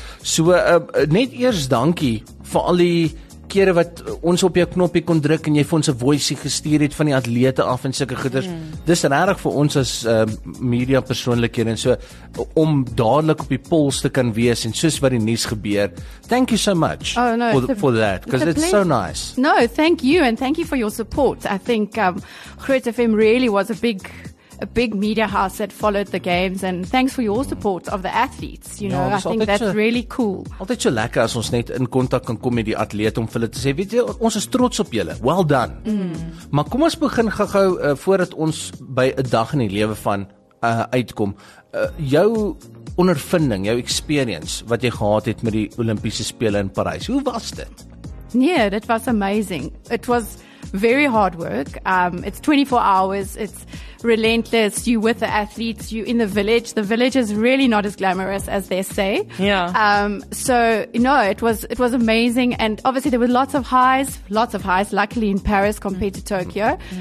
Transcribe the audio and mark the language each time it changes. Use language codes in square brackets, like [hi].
[af] So, net eers dankie vir al die kere wat ons op jou knoppie kon druk en jy vir ons 'n voice gestuur het van die atlete af en sulke goeders. Dis regtig vir ons as media persoonlikhede en so om dadelik op die pols te kan wees en soos wat die nuus gebeur. [en] Thank you so much for that because it's so nice. No, thank you and thank you for your support. I think Groot FM really was a big media house that followed the games and thanks for your support of the athletes, you know, I think that's really cool. [af] Altyd so lekker as ons net in kontak kan kom met die atlete om vir hulle te sê, weet jy, ons is trots op julle, [en] well done. [af] Maar kom ons begin gou-gou voordat ons by 'n dag in die lewe van uitkom, jou ondervinding, jou experience wat jy gehad het met die Olimpiese Spele in Parys, hoe was dit? Nee, dit was [en] amazing. It was very hard work. It's 24 hours, it's relentless, you with the athletes, you in the village. The village is really not as glamorous as they say. Yeah. So you know, it was amazing, and obviously there were lots of highs, luckily in Paris compared to Tokyo.